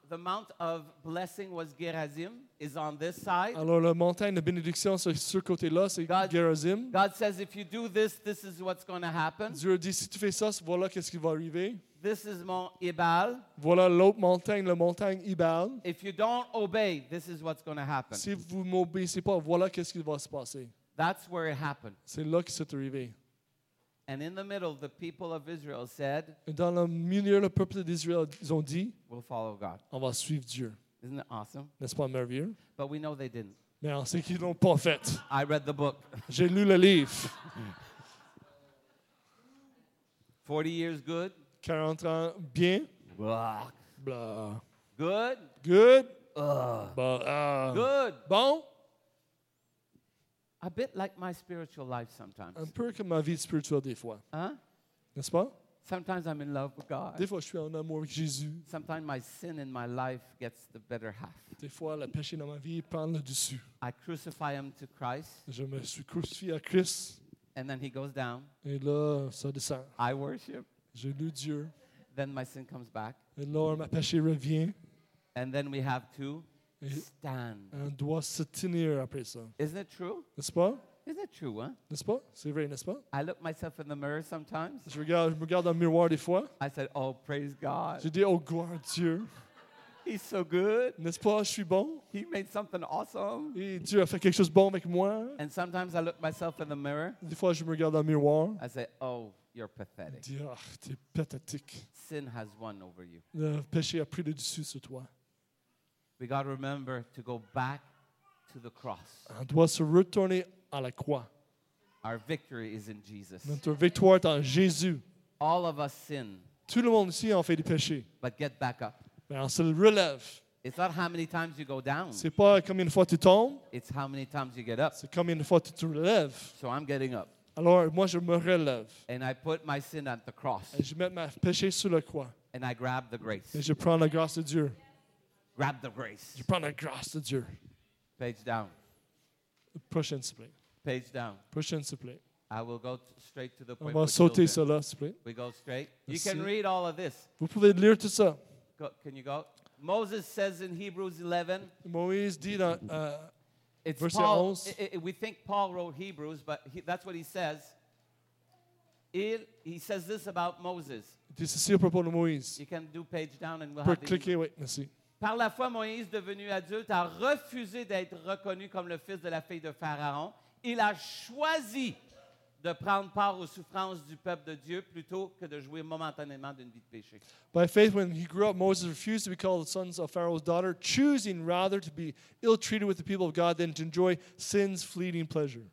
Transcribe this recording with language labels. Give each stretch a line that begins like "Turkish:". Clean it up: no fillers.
English: The mount of blessing was Gerizim, is on this side.
French: Alors la montagne de bénédiction sur ce côté-là, c'est Gerizim.
English: God says, if you do this, this is what's going to happen.
French: Dieu dit, si tu fais ça, voilà qu'est-ce qui va arriver.
English: This is Mount Ebal.
French: Voilà l'autre montagne, la montagne Ebal.
English: If you don't obey, this is what's going to happen.
French: Si vous m'obéissez pas, voilà qu'est-ce qui va se passer.
English: That's where it happened.
French: C'est là que c'est arrivé.
English: And in the middle, the people of Israel said,
French: et dans le milieu, le peuple d'Israël, ils ont dit,
English: we'll follow God.
French: On va suivre Dieu.
English: Isn't that awesome?
French: N'est-ce pas merveilleux?
English: But we know they didn't.
French: Mais on sait qu'ils ne l'ont pas fait.
English: I read the book.
French: J'ai lu le livre.
English: 40 years good.
French: 40 ans bien. Blah. Blah.
English: Good. Good. Good.
French: Bon.
English: A bit like my spiritual life sometimes.
French: Un peu comme ma vie spirituelle des fois. Hein? N'est-ce pas?
English: Sometimes I'm in love with God.
French: Des fois, je suis en amour avec Jésus.
English: Sometimes my sin in my life gets the better half.
French: Des fois, le péché dans ma vie prend le dessus.
English: I crucify him to Christ.
French: Je me suis crucifié à Christ.
English: And then he goes down.
French: Et là, ça descend.
English: I worship.
French: Je loue Dieu.
English: Then my sin comes back.
French: Et là, ma péché revient.
English: And then we have to stand.
French: On doit se tenir après ça.
English: Isn't it true?
French: N'est-ce pas?
English: Isn't it true, huh?
French: N'est-ce pas? C'est vrai, n'est-ce pas?
English: I look myself in the mirror sometimes.
French: Je regarde dans le miroir des fois.
English: I said, oh, praise God.
French: Je dis, oh, gloire à Dieu.
English: He's so good.
French: N'est-ce pas, je suis bon.
English: He made something awesome.
French: Et Dieu a fait quelque chose de bon avec moi.
English: And sometimes I look myself in the mirror.
French: Des fois, je me regarde dans le miroir.
English: I say, oh, you're pathetic.
French: Dieu, oh, t'es pathétique.
English: Sin has won over you.
French: Le péché a pris le dessus sur toi.
English: We got to remember to go back to the cross.
French: On doit se retourner à la croix.
English: Our victory is in Jesus.
French: Notre victoire est en Jésus.
English: All of us sin.
French: Tout le monde ici en fait du péché.
English: But get back up.
French: Mais on se relève.
English: It's not how many times you go down.
French: C'est pas combien de fois tu tombes.
English: It's how many times you get up.
French: C'est combien de fois tu te relèves.
English: So I'm getting up.
French: Alors moi je me relève.
English: And I put my sin at the cross.
French: Et je mets mon péché sur la croix.
English: And I grab the grace.
French: Et je prends la grâce de Dieu.
English: Grab the grace.
French: Je prends la grâce de Dieu.
English: Page down.
French: Prochaine, s'il plaît.
English: Page down.
French: Prochaine, s'il plaît.
English: I will go straight to the point.
French: On va sauter ça là, s'il plaît.
English: We go straight. Merci. You can read all of this.
French: Vous pouvez lire tout ça.
English: Go, can you go? Moses says in Hebrews 11.
French: Moïse dit dans verset 11.
English: We think Paul wrote Hebrews, but that's what he says. He says this about Moses.
French: Dit ceci à propos de Moïse.
English: You can do page down and we'll have
French: cliquer, oui, merci. Par la foi, Moïse, devenu adulte, a refusé d'être reconnu comme le fils de la fille de Pharaon. Il a choisi de prendre part aux souffrances du peuple de Dieu plutôt que de jouir momentanément d'une vie de péché.
English: By faith, when he grew up, Moses refused to be called the son of Pharaoh's daughter, choosing rather to be ill-treated with the people of God than to enjoy sin's fleeting pleasure.